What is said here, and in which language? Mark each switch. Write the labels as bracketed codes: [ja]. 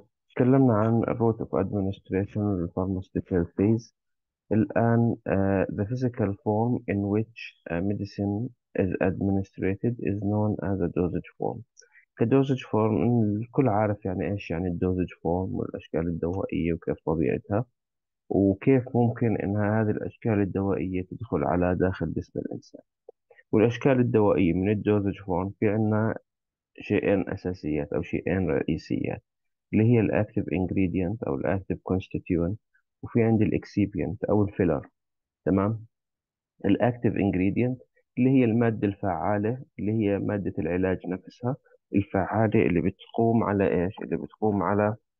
[ar] تكلمنا عن الروت اوف ادمنستريشن للفارماسيوتيكال فيز. [en] الان the physical form in which a medicine is administrated is known as a dosage form. [ar] كدوزج فورم، الكل عارف يعني ايش يعني الدوزج فورم والاشكال الدوائيه وكيف طبيعتها وكيف ممكن انها هذه الاشكال الدوائيه تدخل على داخل جسم الانسان. والاشكال الدوائيه من الدوزج فورم في عندنا شيئين اساسيات او شيئين رئيسيات، اللي هي الاكتيف انجريدينت او الاكتيف كونستيتيوينت، وفي عندي الاكسيبينت او الفيلر، تمام؟ الاكتيف انجريدينت اللي هي الماده الفعاله، اللي هي ماده العلاج نفسها الفعاله، اللي بتقوم على ايش؟ اللي بتقوم على،